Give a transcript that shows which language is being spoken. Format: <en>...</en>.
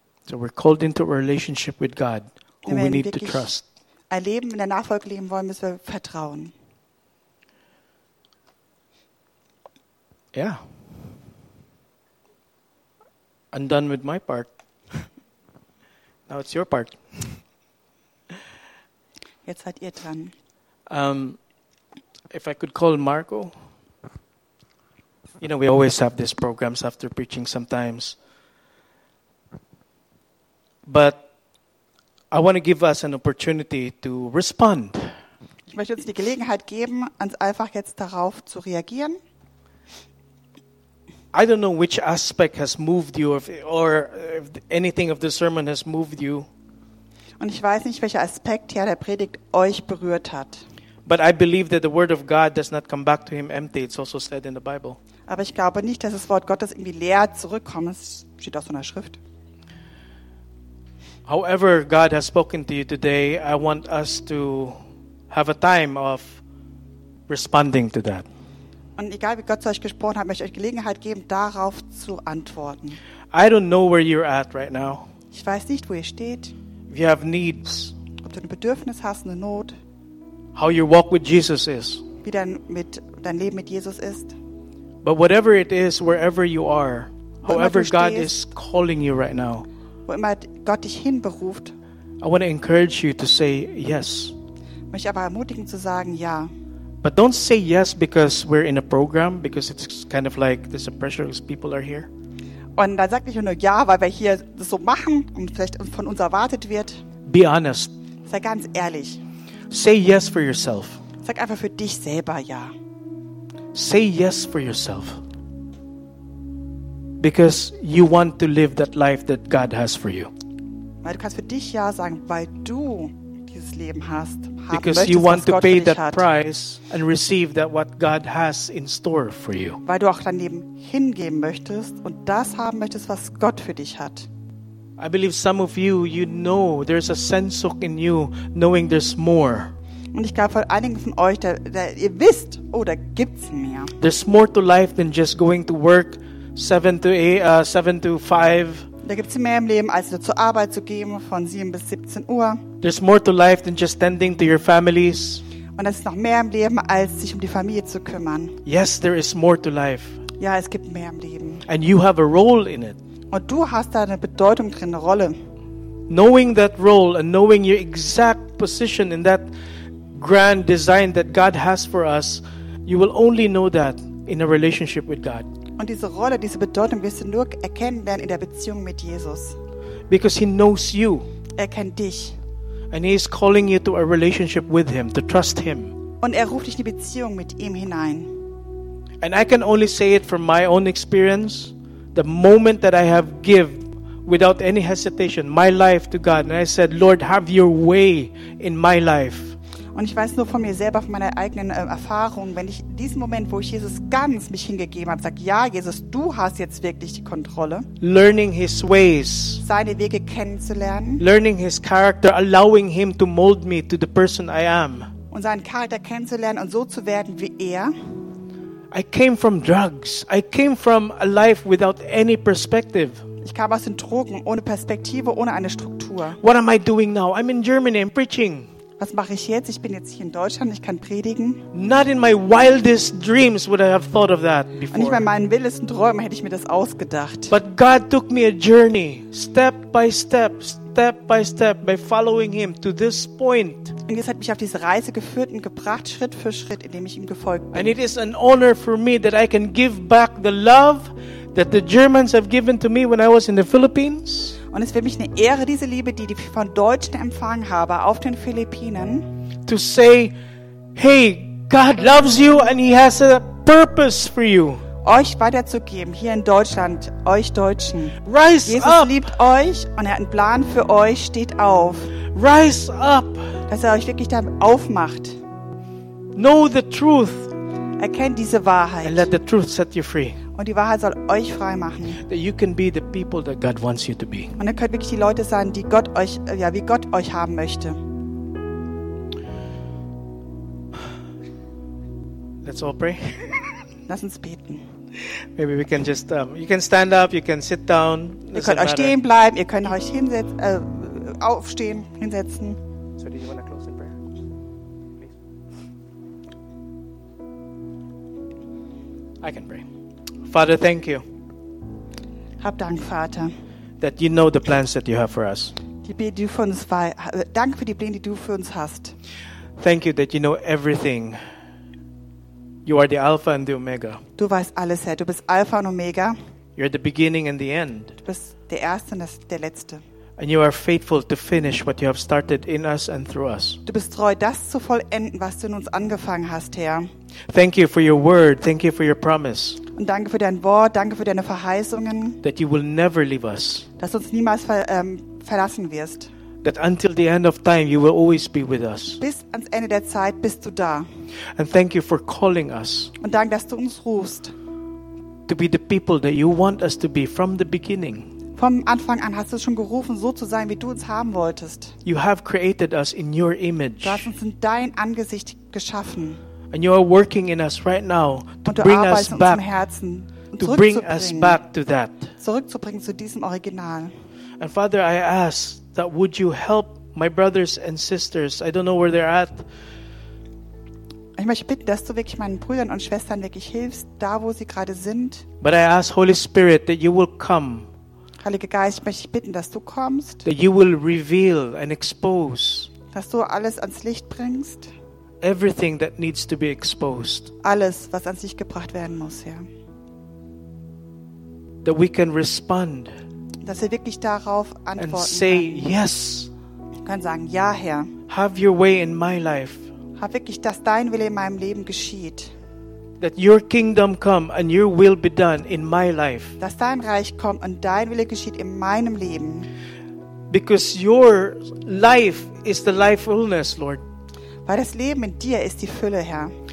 <en>So we're called into a relationship with God, who we need to trust.</en> <de>Ein Leben in der Nachfolge leben wollen, müssen wir vertrauen.</de> <en>Yeah. I'm done with my part. Now it's your part.</en> <de>Jetzt seid ihr dran.</de> <en>If I could call Marco. You know, we always have these programs after preaching sometimes. But I want to give us an opportunity to respond.</en> <de>Ich möchte uns die Gelegenheit geben, uns einfach jetzt darauf zu reagieren.</de> <en>I don't know which aspect has moved you or if anything of the sermon has moved you.</en> <de>Und ich weiß nicht, welcher Aspekt hier der Predigt euch berührt hat.</de> <en>But I believe that the word of God does not come back to him empty. It's also said in the Bible.</en> <de>Aber ich glaube nicht, dass das Wort Gottes irgendwie leer zurückkommt. Es steht auch so in der Schrift.</de> <en>However God has spoken to you today, I want us to have a time of responding to that.</en> <de>Und egal wie Gott zu euch gesprochen hat, möchte ich euch Gelegenheit geben, darauf zu antworten.</de> <en>I don't know where you're at right now.</en> <de>Ich weiß nicht, wo ihr steht.</de> <en>You have needs.</en> <de>Ob du ein Bedürfnis hast, eine Not.</de> <en>How your walk with Jesus is.</en> <de>Wie dein Leben mit Jesus ist.</de> <en>But whatever it is, wherever you are, however God is calling you right now.</en> <de>Wo immer Gott dich hinberuft.</de> <en>I want to encourage you to say yes.</en> <de>Möchte aber ermutigen zu sagen, ja.</de> <en>But don't say yes because we're in a program, because it's kind of like there's a pressure because people are here.</en> <de>Und dann sag nicht nur ja, weil wir hier das so machen und vielleicht von uns erwartet wird.</de> <en>Be honest.</en> <de>Sei ganz ehrlich.</de> <en>Say yes for yourself.</en> <de>Sag einfach für dich selber ja.</de> <en>Say yes for yourself. Because you want to live that life that God has for you.</en> <de>Weil du kannst für dich ja sagen, weil du dieses Leben hast.</de> <en>Because you want to pay that price and receive that what God has in store for you.</en> <de>Weil du auch dein Leben hingeben möchtest und das haben möchtest, was Gott für dich hat.</de> <en>I believe some of you, you know, there's a sense in you knowing there's more.</en> <de>Und ich glaube, von einigen von euch, ihr wisst, oh, da gibt's mehr.</de> <en>There's more to life than just going to work 7 to 5.</en> <de>Da gibt's mehr im Leben, als nur zur Arbeit zu gehen von 7 bis 17 Uhr.</de> <en>There's more to life than just tending to your families.</en> <de>Und es ist noch mehr im Leben, als sich um die Familie zu kümmern.</de> <en>Yes, there is more to life.</en> <de>Ja, es gibt mehr im Leben.</de> <en>And you have a role in it.</en> <de>Und du hast da eine Bedeutung drin, eine Rolle.</de> <en>Knowing that role and knowing your exact position in that grand design that God has for us, you will only know that in a relationship with God.</en> <de>Und diese Rolle, diese Bedeutung wirst du nur erkennen lernen in der Beziehung mit Jesus.</de> <en>Because he knows you.</en> <de>Er kennt dich.</de> <en>And he is calling you to a relationship with him, to trust him.</en> <de>Und er ruft dich in die Beziehung mit ihm hinein.</de> <en>And I can only say it from my own experience, the moment that I have given without any hesitation my life to God, and I said, Lord, have your way in my life.</en> <de>Und ich weiß nur von mir selber, von meiner eigenen Erfahrung, wenn ich in diesem Moment, wo ich Jesus ganz mich hingegeben habe, sage, ja, Jesus, du hast jetzt wirklich die Kontrolle.</de> <en>Learning his ways.</en> <de>Seine Wege kennenzulernen.</de> <en>Learning his character, allowing him to mold me to the person I am.</en> <de>Und seinen Charakter kennenzulernen und so zu werden wie er.</de> <en>I came from drugs. I came from a life without any perspective.</en> <de>Ich kam aus den Drogen, ohne Perspektive, ohne eine Struktur.</de> <en>What am I doing now? I'm in Germany, I'm preaching.</en> <de>Was mache ich jetzt? Ich bin jetzt hier in Deutschland, ich kann predigen.</de> <en>Not in my wildest dreams would I have thought of that before.</en> <de>Nicht bei meinen wildesten Träumen hätte ich mir das ausgedacht.</de> <en>But God took me a journey, step by step, step by step, by following him to this point.</en> <de>Und Jesus hat mich auf diese Reise geführt und gebracht, Schritt für Schritt, indem ich ihm gefolgt bin.</de> <en>And it is an honor for me that I can give back the love that the Germans have given to me when I was in the Philippines.</en> <de>Und es ist für mich eine Ehre, diese Liebe, die ich von Deutschen empfangen habe, auf den Philippinen.</de> <en>To say, hey, God loves you and he has a purpose for you.</en> <de>Euch weiterzugeben, hier in Deutschland, euch Deutschen.</de> <en>Rise</en> <de>Jesus</de> <en>up.</en> <de>Liebt euch und er hat einen Plan für euch, steht auf.</de> <en>Rise up.</en> <de>Dass er euch wirklich damit aufmacht.</de> <en>Know the truth.</en> <de>Erkennt diese Wahrheit.</de> <en>And let the truth set you free.</en> <de>Und die Wahrheit soll euch frei machen.</de> <en>That you can be the people that God wants you to be.</en> <de>Und ihr könnt wirklich die Leute sein, die Gott euch, ja, wie Gott euch haben möchte.</de> <en>Let's all pray.</en> <de>Lass uns beten.</de> <en>Maybe we can just, you can stand up, you can sit down.</en> <de>Ihr könnt euch stehen bleiben, ihr könnt euch aufstehen, hinsetzen.</de> <en>So, do you want to close in prayer? Please. I can pray. Father, thank you.</en> <de>Hab Dank, Vater.</de> <en>That you know the plans that you have for us.</en> <de>Danke für die Pläne, die du für uns hast.</de> <en>Thank you that you know everything. You are the Alpha and the Omega.</en> <de>Du weißt alles, Herr. Du bist Alpha und Omega.</de> <en>You're the beginning and the end.</en> <de>Du bist der Erste und der Letzte.</de> <en>And you are faithful to finish what you have started in us and through us.</en> <de>Du bist treu, das zu vollenden, was du in uns angefangen hast, Herr.</de> <en>Thank you for your word. Thank you for your promise.</en> <de>Und danke für dein Wort, danke für deine Verheißungen.</de> <en>That you will never leave us.</en> <de>Dass du uns niemals verlassen wirst.</de> <en>That until the end of time you will always be with us.</en> <de>Bis ans Ende der Zeit bist du da.</de> <en>And thank you for calling us.</en> <de>Und danke, dass du uns rufst.</de> <en>To be the people that you want us to be from the beginning.</en> <de>Vom Anfang an hast du schon gerufen, so zu sein, wie du uns haben wolltest.</de> <en>You have created us in your image.</en> <de>Du hast uns in dein Angesicht geschaffen.</de> <en>And you are working in us right now to bring us back,</en> <de>Herzen,</de> <en>to bring us back to that.</en> <de>Zurückzubringen zu diesem Original.</de> <en>And Father, I ask that would you help my brothers and sisters? I don't know where they're at.</en> <de>Ich möchte bitten, dass du wirklich meinen Brüdern und Schwestern wirklich hilfst, da wo sie gerade sind.</de> <en>But I ask Holy Spirit that you will come.</en> <de>Heiliger Geist, ich möchte dich bitten, dass du kommst.</de> <en>That you will reveal and expose.</en> <de>Dass du alles ans Licht bringst.</de> <en>Everything that needs to be exposed.</en> <de>Alles, was ans Licht gebracht werden muss, ja.</de> <en>That we can respond.</en> <de>Dass wir wirklich darauf antworten können.</de> <en>And say yes.</en> <de>Wir können sagen, ja, Herr.</de> <en>Have your way in my life.</en> <de>Hab wirklich, dass dein Wille in meinem Leben geschieht.</de> <en>That your kingdom come and your will be done in my life.</en> <de>Dass dein Reich kommt und dein Wille geschieht in meinem Leben.</de> <en>Because your life is the life fullness, Lord.</en> <de>Weil das Leben in dir ist die Fülle, Herr.</de>